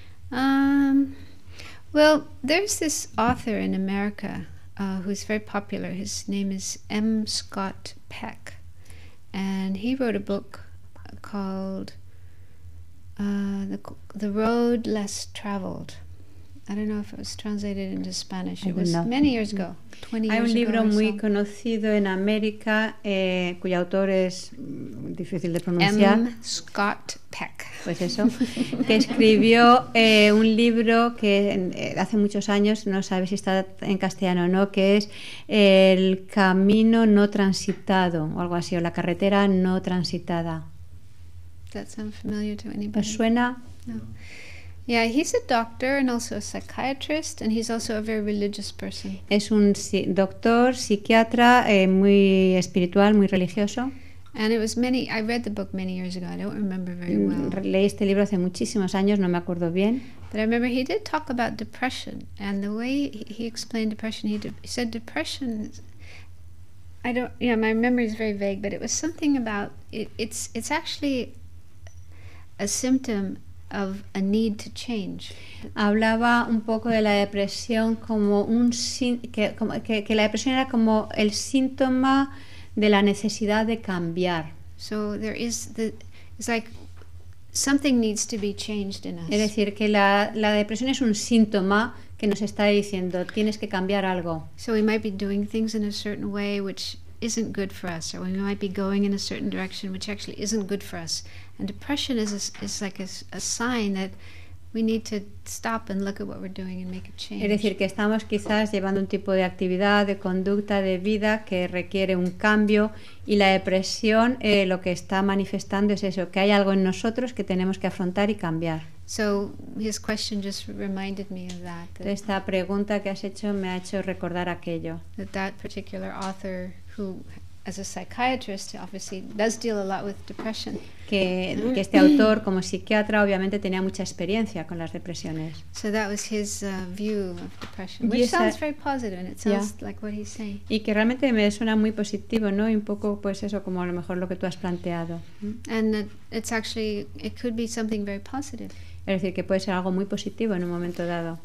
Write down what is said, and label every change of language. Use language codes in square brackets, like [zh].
[en] Well, there's this author in America who's very popular. His name is M. Scott Peck. And he wrote a book called The Road Less Traveled. I don't know if it was translated into Spanish. It was many years ago, 20 years ago. [es] Hay un libro muy conocido en América cuyo autor es difícil de pronunciar. M. Scott Peck. Pues eso. Que escribió un libro que hace muchos años, no sabe si está en castellano o no, que es El Camino No Transitado o algo así, o La Carretera No Transitada. [en] That sound familiar to anybody? [es] ¿Pues suena? No. [en] Yeah, he's a doctor and also a psychiatrist, and he's also a very religious person. [es] Es un doctor, psiquiatra, muy espiritual, muy religioso. [en] And it was many. I read the book many years ago. I don't remember very well. [es] Leí este libro hace muchísimos años. No me acuerdo bien. [en] But I remember he did talk about depression, and the way he explained depression, he said depression. My memory is very vague, but it was something about it. It's actually a symptom of a need to change. [es] Hablaba un poco de la depresión como que la depresión era como el síntoma de la necesidad de cambiar. [en] So there is it's like something needs to be changed in us. [es] Es decir, que la depresión es un síntoma que nos está diciendo tienes que cambiar algo. [en] So we might be doing things in a certain way which isn't good for us, or we might be going in a certain direction which actually isn't good for us. And depression is like a sign that we need to stop and look at what we're doing and make a change. [es] Es decir, que estamos quizás llevando un tipo de actividad, de conducta, de vida que requiere un cambio, y la depresión lo que está manifestando es eso, que hay algo en nosotros que tenemos que afrontar y cambiar. [en] So his question just reminded me of that. [es] Esta pregunta que has hecho me ha hecho recordar aquello. [en] That particular author who, as a psychiatrist, obviously does deal a lot with depression. [es] Que este autor, como psiquiatra, obviamente tenía mucha experiencia con las depresiones. [en] So that was his view of depression, which sounds very positive, and it sounds like what he's saying. [es] Y que realmente me suena muy positivo, ¿no? Y un poco, pues eso, como a lo mejor lo que tú has planteado. [en] And it's actually, it could be something very positive. [es] Es decir, que puede ser algo muy positivo en un momento dado.